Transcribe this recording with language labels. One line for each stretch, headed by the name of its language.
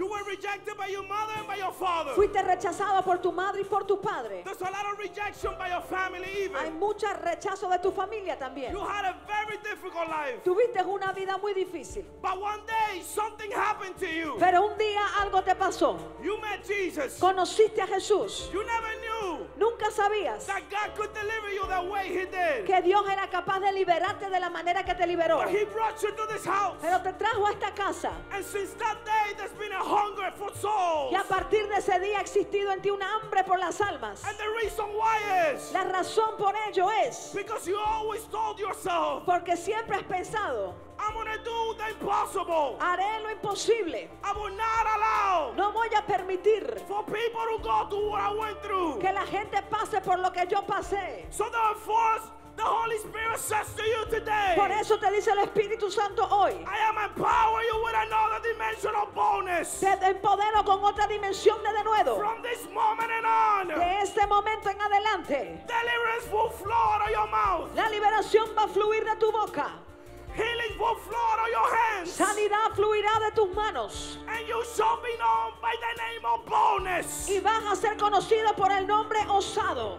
English: You were rejected by your mother and by your father.
Spanish: Fuiste rechazado por tu madre y por tu padre.
English: There's a lot of rejection by your family even.
Spanish: Hay mucho rechazo de tu familia también.
English: You had a very difficult life.
Spanish: Tuviste una vida muy difícil.
English: But one day something happened to you.
Spanish: Pero un día algo te pasó.
English: You met Jesus.
Spanish: Conociste a Jesús.
English: You never knew.
Spanish: Nunca sabías.
English: That God could deliver you the way he did.
Spanish: Que Dios era capaz de liberarte de la manera que te liberó.
English: But he brought you to this house.
Spanish: Pero te trajo a esta casa.
English: And since that day there's been a hunger for souls.
Spanish: Y a partir de ese día ha existido en ti una hambre por las almas.
English: And the reason why is.
Spanish: La razón por ello es.
English: Because you always told yourself.
Spanish: Porque siempre has pensado.
English: I'm gonna do the impossible.
Spanish: Haré lo imposible.
English: I will not allow.
Spanish: No voy a permitir.
English: For people to go through what I went through.
Spanish: Que la gente pase por lo que yo pasé.
English: So therefore, the Holy Spirit says to you today.
Spanish: Por eso te dice el Espíritu Santo hoy.
English: I am empowering you with another dimension of bonus.
Spanish: Te empodero con otra dimensión de nuevo.
English: From this moment and on.
Spanish: De este momento en adelante.
English: Deliverance will flow out of your mouth.
Spanish: La liberación va a fluir de tu boca.
English: Healing will flow out of your hands.
Spanish: Sanidad fluirá de tus manos.
English: And you shall be known by the name of boldness.
Spanish: Y vas a ser conocido por el nombre osado.